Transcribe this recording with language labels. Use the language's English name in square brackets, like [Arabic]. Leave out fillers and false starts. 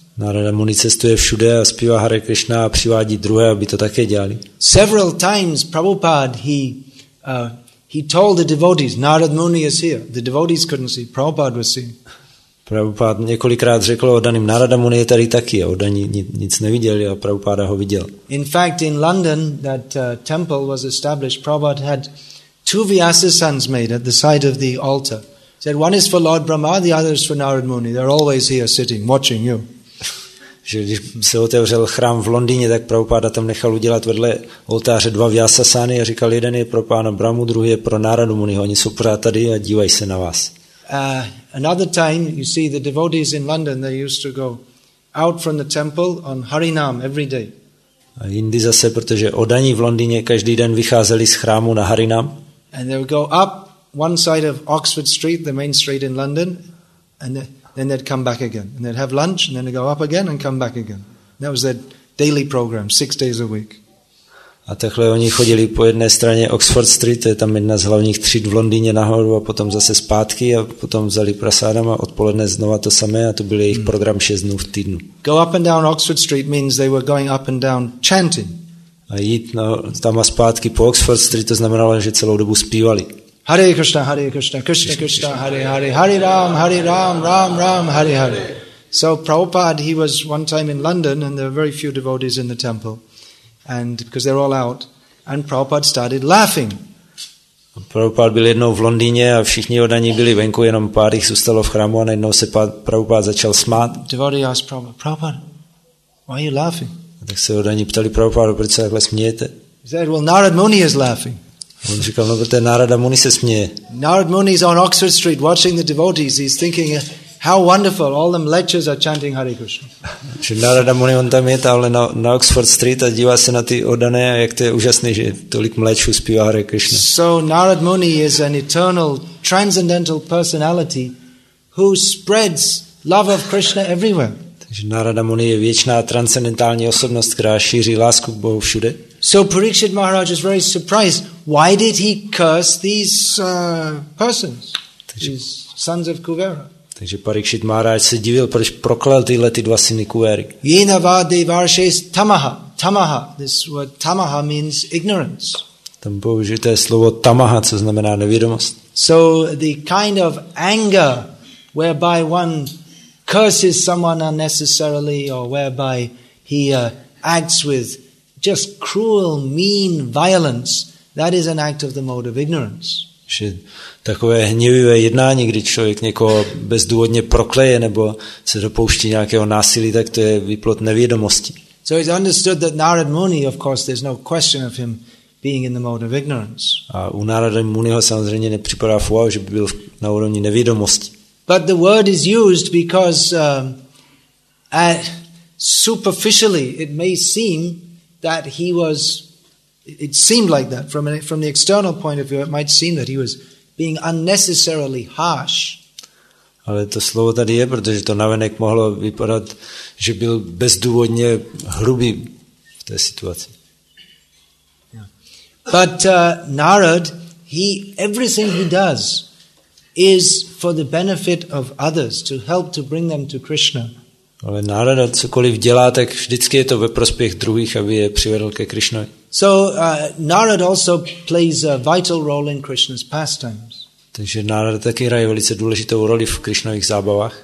[Czech] Narada Muni cestuje všude a zpívá Hare Krishna a přivádí druhé, aby to také dělali. [English] Several times Prabhupada he told the devotees, Narad Muni is here. The devotees couldn't see. Prabhupada was seen. [Czech] Prabhupada několikrát řekl oddaným, Narada Muni je tady taky. Oddaní nic neviděli a Prabhupada ho viděl. [English] In fact, in London, that temple was established, Prabhupada had two Vyasa sons made at the side of the altar. He said, one is for Lord Brahma, the other is for Narad Muni. They're always here sitting, watching you. [Czech] Že když se otevřel chrám v Londýně, tak Prabhupada tam nechal udělat vedle oltáře dva Vyasasány a říkal, jeden je pro pána Brahmu, druhý je pro Narada Muni. Oni jsou pořád tady a dívají se na vás. [English] Another time, you see, the devotees in London, they used to go out from the temple on Harinam every day. [Czech] A jindy zase, protože oddaní v Londýně každý den vycházeli z chrámu na Harinam. [English] And they would go up one side of Oxford Street, the main street in London, and then they'd come back again. And they'd have lunch, and then they'd go up again and come back again. That was their daily program, 6 days a week. [Czech] A takhle oni chodili po jedné straně Oxford Street, to je tam jedna z hlavních tříd v Londýně nahoru a potom zase zpátky a potom vzali prasádama odpoledne znova to samé a to byl jejich program 6 dnů v týdnu. [English] Go up and down Oxford Street means they were going up and down chanting. [Czech] A jít tam a zpátky po Oxford Street, to znamenalo, že celou dobu zpívali. [Sanskrit] Hare Krishna, Hare Krishna, Krishna Krishna, Krishna, Krishna Hare Hare, Hare Ram, Hare Ram, Ram Ram, Hare Hare. [English] So Prabhupada, he was one time in London and there were very few devotees in the temple. And because they're all out, and Prabhupada started laughing. [Czech] Prabhupada byl jednou v Londýně a všichni oddaní byli venku, jenom pár jich zůstalo v chrámu a najednou se Prabhupada začal smát. [English] Devotee asked Prabhupada, Prabhupada, why are you laughing? [Czech] A tak se oddaní ptali Prabhupada, proč se takhle smějete? [English] He said, well, Narad Muni is laughing. [Czech] A on říkal, no, protože Narada Muni se směje. [English] Narad Muni is on Oxford Street watching the devotees. He's thinking, how wonderful, all them lectures are chanting Hare Krishna. [Czech] Narada Muni, on tam je, ale na Oxford Street a dívá se na ty oddané a jak to je úžasné, že tolik mléčů zpívá Hare Krishna. [English] So Narada Muni is an eternal, transcendental personality who spreads love of Krishna everywhere. [Czech] Takže Narada Muni je věčná transcendentální osobnost, která šíří lásku k Bohu všude. [English] So Parikshit Maharaj is very surprised. Why did he curse these persons, these sons of Kuvera? [Czech] Takže Parikshit Maharaj se divil, proč proklel tyhle ty dva syny Kuvery. [Sanskrit] Yena va devarshes tamaha. [English] Tamaha, this word tamaha means ignorance. [Czech] Tam použité slovo tamaha, co znamená nevědomost. [English] So the kind of anger whereby one curses someone unnecessarily or whereby he acts with just cruel, mean violence, that is an act of the mode of ignorance. [Czech] Že takové hněvivé jednání, kdy člověk někoho bezdůvodně prokleje nebo se dopouští nějakého násilí, tak to je výplod nevědomosti. [English] So it's understood that Narad Muni, of course, there's no question of him being in the mode of ignorance. [Czech] A u Narada Muniho samozřejmě nepřipadá v úvahu, že by byl na úrovni nevědomosti. [English] But the word is used because superficially it may seem that he was It seemed like that from the external point of view. It might seem that he was being unnecessarily harsh. [Czech] Ale to slovo tady je, protože to navenek mohlo vypadat, že byl bezdůvodně hrubý v té situaci. [English] But Narad, everything he does is for the benefit of others, to help to bring them to Krishna. [Czech] Ale Narada, cokoliv dělá, tak vždycky je to ve prospěch druhých, aby je přivedl ke Krishna. [English] So Narad also plays a vital role in Krishna's pastimes. [Czech] Takže Narada taky hraje velice důležitou roli v Krishnových zábavách.